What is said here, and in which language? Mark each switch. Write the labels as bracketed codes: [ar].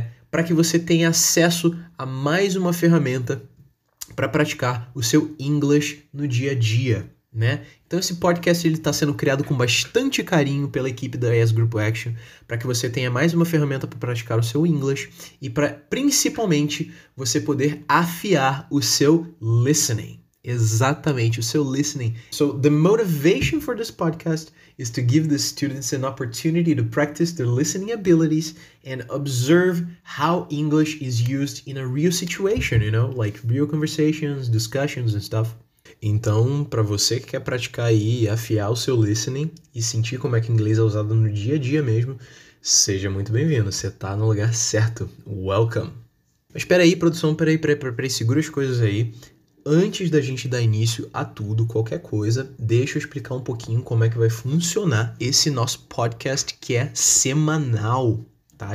[pt] Para que você tenha acesso a mais uma ferramenta para praticar o seu inglês no dia a dia, né? Então esse podcast ele está sendo criado com bastante carinho pela equipe da ES Grupo Action para que você tenha mais uma ferramenta para praticar o seu inglês e para, principalmente, você poder afiar o seu listening. Exatamente, o seu listening. [en] So the motivation for this podcast is to give the students an opportunity to practice their listening abilities and observe how English is used in a real situation, you know, like real conversations, discussions and stuff. [pt] Então, para você que quer praticar aí e afiar o seu listening e sentir como é que o inglês é usado no dia a dia mesmo, seja muito bem-vindo, você tá no lugar certo. [en] Welcome. [pt] Mas espera aí, produção, peraí, segura as coisas aí. Antes da gente dar início a tudo, qualquer coisa, deixa eu explicar um pouquinho como é que vai funcionar esse nosso podcast que é semanal, tá?